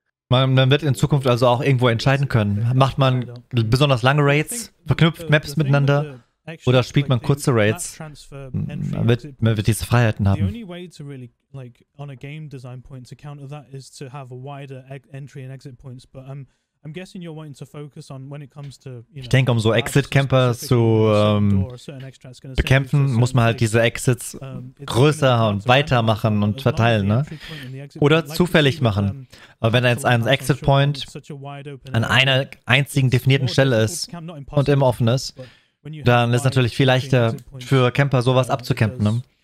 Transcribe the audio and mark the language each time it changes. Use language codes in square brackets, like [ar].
[de] Man wird in Zukunft also auch irgendwo entscheiden können. Macht man besonders lange Raids, verknüpft Maps miteinander oder spielt man kurze Raids, man wird diese Freiheiten haben. [en] The only way to really, like, on a game design point to counter that is to have a wider entry and exit points, but I'm guessing you're wanting to focus on when it comes to, [de] ich denke, um so Exit-Camper zu bekämpfen, muss man halt diese Exits größer und weiter machen und verteilen, ne? Oder zufällig machen. Aber wenn jetzt ein Exit-Point an einer einzigen definierten Stelle ist und immer offen ist, dann ist es natürlich viel leichter für Camper, sowas abzukämpfen, ne?